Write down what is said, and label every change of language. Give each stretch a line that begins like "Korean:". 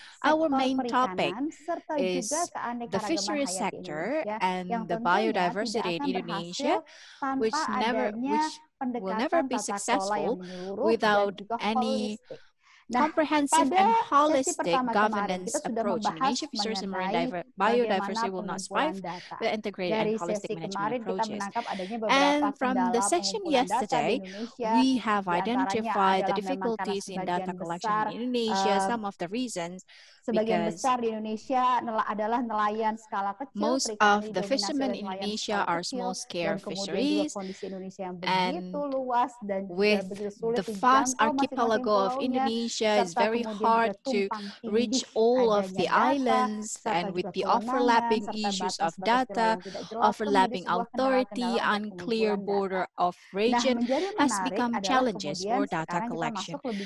English: Our main topic is the fisheries sector and the biodiversity in Indonesia, which will never be successful without any comprehensive and holistic governance approach. Indonesia Fisheries and Marine Biodiversity will not survive the integrated and holistic management approaches. And from the session yesterday, we have identified the difficulties in data collection in Indonesia, some of the reasons.
Indonesian: Sebagian besar di Indonesia adalah nelayan skala kecil.
English: Most of the fishermen in Indonesia are small scale fisheries. And with the vast archipelago of Indonesia, it's very hard to reach all of the islands. And with the overlapping issues of data, overlapping authority, unclear border of region, has become challenges for data collection.